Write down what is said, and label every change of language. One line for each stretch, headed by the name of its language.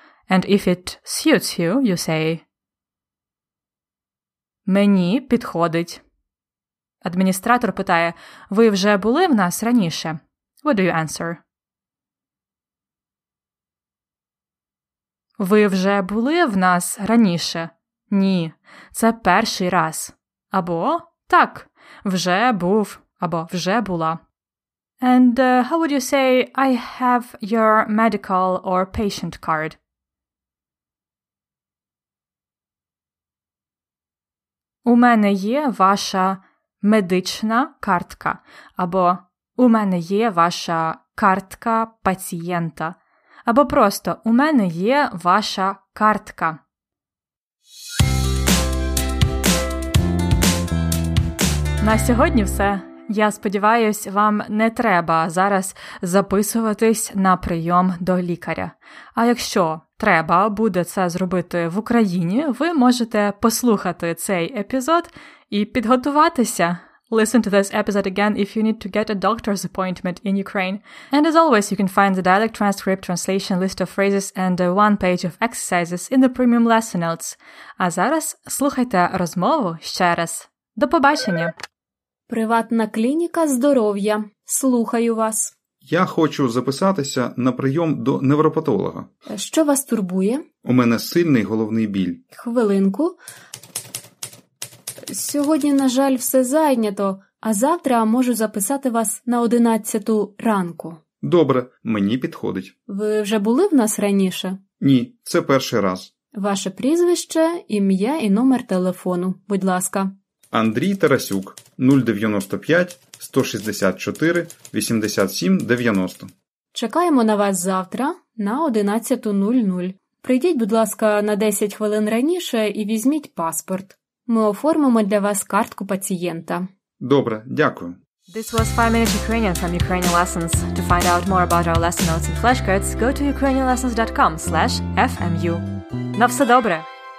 English: And if it suits you, you say,
Ukrainian: мені підходить. Адміністратор питає: ви вже були в нас раніше?
English: What do you answer?
Ukrainian: Ви вже були в нас раніше? Ні, це перший раз. Або так, вже був, або вже була. And how would you say I have your medical or patient card? У мене є ваша медична картка, або у мене є ваша картка пацієнта, або просто у мене є ваша картка. На сьогодні все. Я сподіваюся, вам не треба зараз записуватись на прийом до лікаря. А якщо треба буде це зробити в Україні, ви можете послухати цей епізод і підготуватися.
English: Listen to this episode again if you need to get a doctor's appointment in Ukraine. And as always, you can find the dialect transcript, translation, list of phrases and one page of exercises in the premium lesson notes.
Ukrainian: А зараз слухайте розмову ще раз. До побачення! Приватна клініка здоров'я. Слухаю вас. Я хочу записатися на прийом до невропатолога. Що вас турбує? У мене сильний головний біль. Хвилинку. Сьогодні, на жаль, все зайнято, а завтра можу записати вас на 11 ранку. Добре, мені підходить. Ви вже були в нас раніше? Ні, це перший раз. Ваше прізвище, ім'я і номер телефону, будь ласка. Андрій Тарасюк, 095-164-87-90. Чекаємо на вас завтра на 11.00. Прийдіть, будь ласка, на 10 хвилин раніше і візьміть паспорт. Ми оформимо для вас картку пацієнта. Добре, дякую.
English: This was 5 Minutes Ukrainian from Ukrainian Lessons. To find out more about our lesson notes and flashcards, go to ukrainianlessons.com/fmu.
Ukrainian: На все добре!